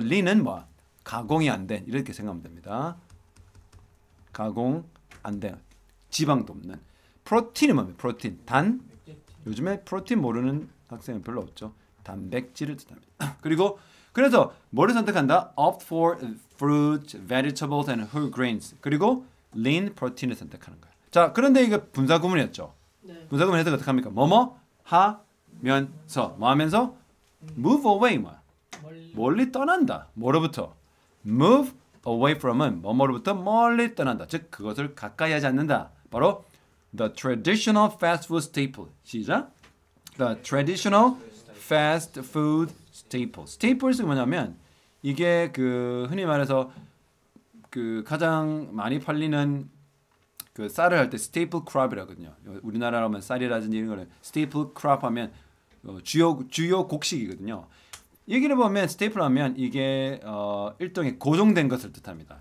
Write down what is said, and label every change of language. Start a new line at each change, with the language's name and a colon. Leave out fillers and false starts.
Korean: Lean은 뭐 가공이 안 된 이렇게 생각하면 됩니다. 가공 안 돼. 지방도 없는. 프로틴이 뭐예요? 프로틴. 단? 요즘에 프로틴 모르는 학생은 별로 없죠. 단백질을 뜻합니다. 그리고 그래서 뭐를 선택한다?
English: Opt for fruits, vegetables, and whole grains.
Korean: 그리고 lean 프로틴을 선택하는 거예요. 자, 그런데 이거 분사구문이었죠? 네. 분사구문 해석 어떻게 합니까? 뭐뭐? 하면서. 뭐 하면서?
English: Move away.
Korean: 멀리. 멀리 떠난다. 뭐로부터?
English: Move away from
Korean: 은 뭐뭐로부터 멀리 떠난다. 즉 그것을 가까이 하지 않는다. 바로
English: the traditional fast food staple.
Korean: 시작.
English: The traditional fast food staple.
Korean: Staples 뭐냐면 이게 그 흔히 말해서 그 가장 많이 팔리는 그 쌀을 할 때 staple crop이라거든요. 우리나라로 하면 쌀이라든지 이런 거를 staple crop 하면 주요 곡식이거든요. 얘기를 보면 스테이플 하면 이게 일종의 고정된 것을 뜻합니다.